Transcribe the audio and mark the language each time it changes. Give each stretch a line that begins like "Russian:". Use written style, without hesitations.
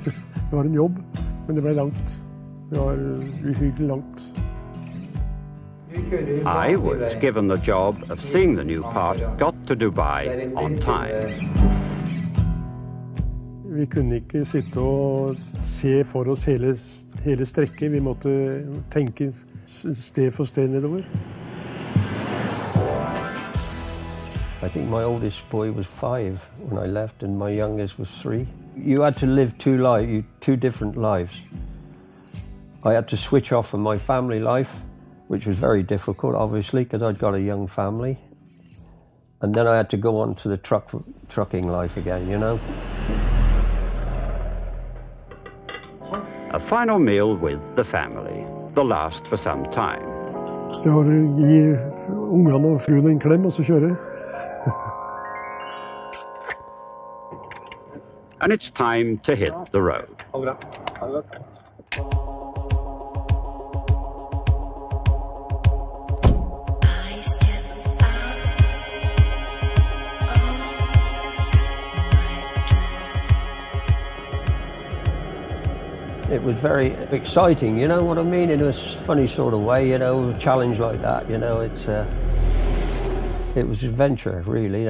Norwegian: Det var en jobb, men det ble langt. Det var uhyggelig langt.
English: I was given the job of seeing the new part, got to Dubai on time.
Norwegian: Vi kunne ikke sitte og se for oss hele strekket. Vi måtte tenke sted for sted nedover.
English: I think my oldest boy was 5 when I left, and my youngest was 3. You had to live two different lives. I had to switch off from my family life, which was very difficult, obviously, because I'd got a young family. And then I had to go on to the trucking life again, you know? A final meal with the family, the last for some time.
Norwegian: Det var å gi ungene og fruen en klem og så kjøre.
English: And it's time to hit the road. It was very exciting, you know what I mean, in a funny sort of way, you know, a challenge like that, you know, it was adventure, really.